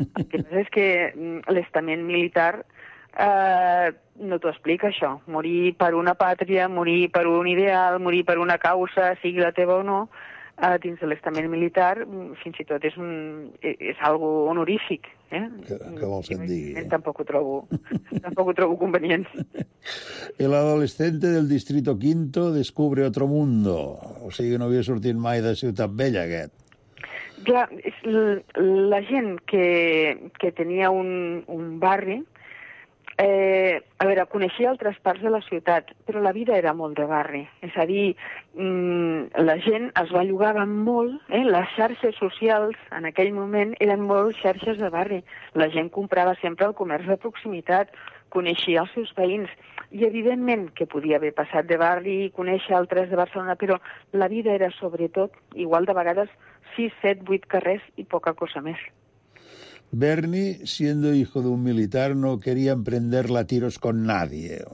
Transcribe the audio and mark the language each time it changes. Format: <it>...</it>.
<ca>El que passa és que l'estament militar no t'ho explica, això. Morir per una pàtria, morir per un ideal, morir per una causa, sigui la teva o no, dins de l'estament militar, fins i tot és algo honorífic. Què vols que et digui? tampoc ho trobo convenient.</ca> <es>El adolescente del Distrito Quinto descubre otro mundo.</es> <ca>O sigui, no havia sortit mai de Ciutat Vella, aquest. Clar, la gent que tenia un barri, a veure, coneixia altres parts de la ciutat, però la vida era molt de barri. És a dir, la gent es bellugava molt, les xarxes socials en aquell moment eren molt xarxes de barri. La gent comprava sempre el comerç de proximitat, coneixia els seus veïns. I evidentment que podia haver passat de barri i conèixer altres de Barcelona, però la vida era sobretot, igual de vegades, 6, 7, 8 carrers i poca cosa més.</ca> <es>Bernie, siendo hijo de un militar, no quería emprenderla a tiros con nadie.</es>